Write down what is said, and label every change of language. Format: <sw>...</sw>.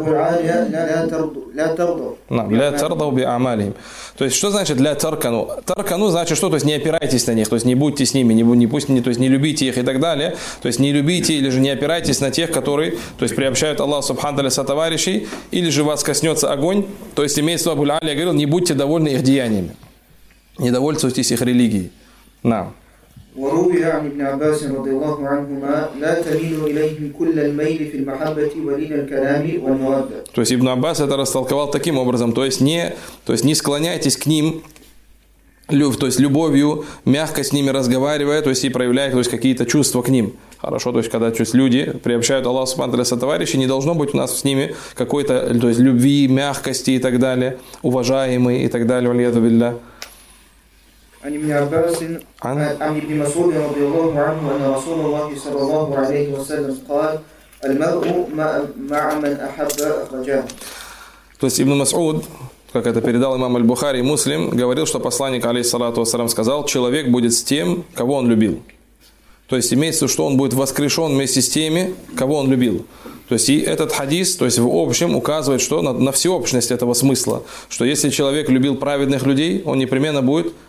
<ar>وقال أبو العالية لا ترضوا لا ترضوا بأعمالهم.</ar> <ru>То есть что значит для таркану? Таркану значит что? То есть не опирайтесь на них, то есть не будьте с ними, не любите их и так далее. То есть не любите или же не опирайтесь на тех, которые, то есть приобщают Аллах субхану ва тааля со товарищей, или же вас коснется огонь. То есть имеется в виду, Абу аль-Алия говорил, не будьте довольны их деяниями, не довольствуйтесь их религией. На.</ru> <ar>وروي عن ابن عباس رضي الله عنهما لا تميل إليهم كل الميل في المحبة ولين الكلام والمودة.</ar> <ru>То есть Ибн Аббас это растолковал таким образом, то есть не склоняйтесь к ним, то есть любовью, мягко с ними разговаривая, то есть и проявляя, то есть какие-то чувства к ним. Хорошо, то есть когда люди приобщают Аллаха субхану ва тааля сотоварищи, не должно быть у нас с ними какой-то, то есть любви, мягкости и так далее, уважаемый и так далее, валиязу биллях.</ru> <ar>عن ابن عباس عن ابن مسعود رضي الله عنه أن رسول الله صلى الله عليه وسلم قال المرء مع من أحب أخرجاه.</ar> <ru>То есть ابن مسعود, как это передал имам аль-Бухари и Муслим, говорил, что посланник, алейхиссалату вассалям, сказал, человек будет с тем, кого он любил. То есть имеется в виду, что он будет воскрешен вместе с теми, кого он любил. То есть и этот хадис, то есть в общем, указывает, что на всеобщность этого смысла, что если человек любил праведных людей, он непременно будет</ru>